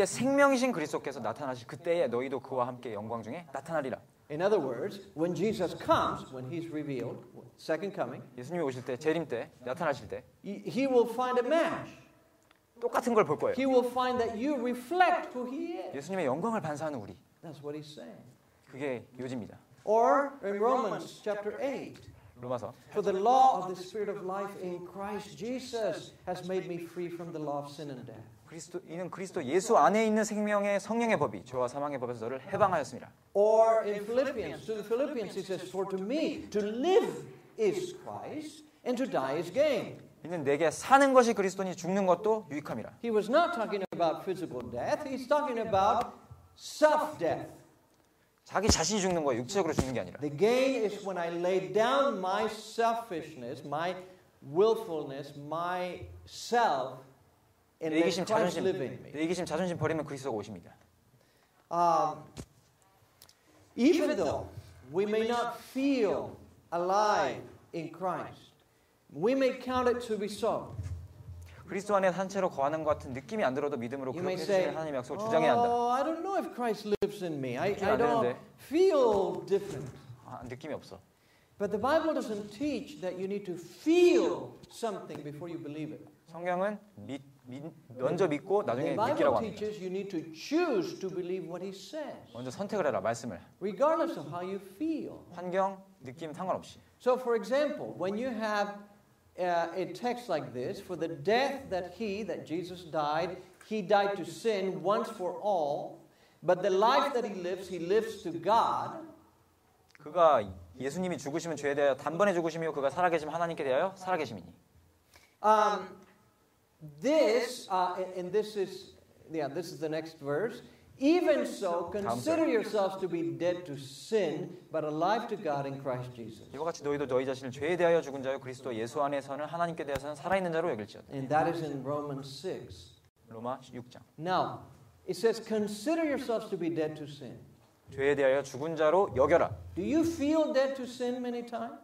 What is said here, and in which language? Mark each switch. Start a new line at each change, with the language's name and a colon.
Korean: 우리의 생명이신 그리스도께서 나타나실 그때에 너희도 그와 함께 영광 중에 나타나리라.
English: In other words, when Jesus comes, when he's revealed, second coming,
Korean: 예수님이 오실 때, 재림 때, 나타나실 때,
English: he will find a match.
Korean: 똑같은 걸 볼 거예요.
English: He will find that you reflect who he is.
Korean: 예수님의 영광을 반사하는 우리.
English: That's what he's saying.
Korean: 그게 요지입니다.
English: Or in Romans chapter 8.
Korean: 로마서.
English: For the law of the spirit of life in Christ Jesus has made me free from the law of sin and death.
Korean: 그리스도 이는 그리스도 예수 안에 있는 생명의 성령의 법이 죄와 사망의 법에서 너를 해방하였습니다.
English: Or in Philippians, to the Philippians he says, for to me to live is Christ and to die is gain.
Korean: 이는 내게 사는 것이 그리스도니 죽는 것도 유익함이라.
English: He was not talking about physical death. He's talking about self death.
Korean: 자기 자신이 죽는 거야. 육체적으로 죽는 게 아니라.
English: The gain is when I lay down my selfishness, my willfulness, my self.
Korean: 내 이기심 자존심 내 이기심 자존심 버리면 그리스도가 오십니다.
English: Even though we may not feel alive in Christ, we may count it to be so.
Korean: 그리스도 안에 산 채로 거하는 것 같은 느낌이 안 들어도 믿음으로 그렇게 해주시는 하나님의 약속을 주장해야 한다.
English: Oh, I don't know if Christ lives in me. I don't feel different.
Korean: 느낌이 없어.
English: But the Bible doesn't teach that you need to feel something before you believe it.
Korean: 성경은 먼저 믿고 나중에 믿기라고 합니다.
English: The Bible teaches you need to choose to believe what he says.
Korean: 먼저 선택을 해라 말씀을.
English: Regardless of how you feel.
Korean: 환경, 느낌 상관없이.
English: So for example, when you have a text like this, for the death that Jesus died, he died to sin once for all, but the life that he lives to God.
Korean: 그가 예수님이 죽으시면 죄에 대하여 단번에 죽으시며 그가 살아계시면 하나님께 대하여 살아계심이니.
English: This is the next verse. Even so, consider yourselves to be dead to sin, but alive to God in Christ Jesus.
Korean: 이와 같이 너희도 너희 자신을 죄에 대하여 죽은 자요 그리스도 예수 안에서는 하나님께 대하여 살아있는 자로 여길지어다.
English: And that is in Romans 6.
Korean: 로마 6장.
English: Now, it says, consider yourselves to be dead to sin.
Korean: 죄에 대하여 죽은 자로 여겨라.
English: Do you feel dead to sin many times?